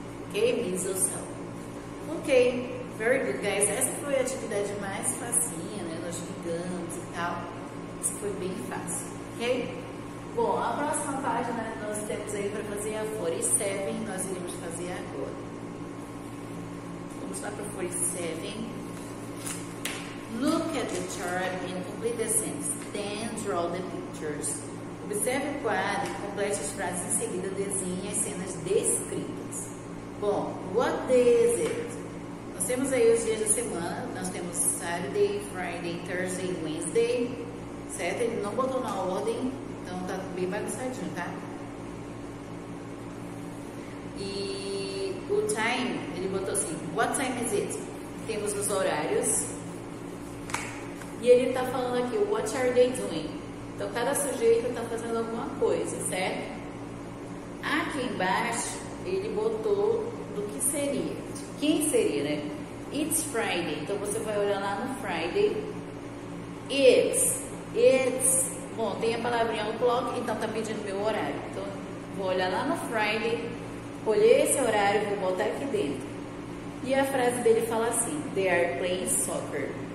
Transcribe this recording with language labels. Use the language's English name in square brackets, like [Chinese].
[English] Ok? Miso soup. Ok. Very good, guys. [Portuguese] Essa foi a atividade mais facinha, né? Nós brigamos e tal. Isso foi bem fácil. Ok? Bom, a próxima página nós temos aí para fazer a 47, nós iremos fazer agora. Vamos lá para a 47. [English] Look at the chart and complete the sentence. Then draw the pictures. [Portuguese] Observe o quadro e complete as frases, em seguida desenhe as cenas descritas. Bom, [English] what day is it? [Portuguese] Nós temos aí os dias da semana. Nós temos Saturday, Friday, Thursday, Wednesday. Certo? Ele não botou na ordem. Então, tá bem bagunçadinho, tá? E o time, ele botou assim, [English] what time is it? [Portuguese] Temos os horários. E ele tá falando aqui, [English] what are they doing? [Portuguese] Então, cada sujeito tá fazendo alguma coisa, certo? Aqui embaixo, ele botou do que seria. De quem seria, né? [English] It's Friday. [Portuguese] Então, você vai olhar lá no Friday. It's... Bom, tem a palavrinha o'clock, então tá pedindo meu horário. Então, vou olhar lá no Friday, colher esse horário, vou botar aqui dentro. E a frase dele fala assim, [English] they are playing soccer.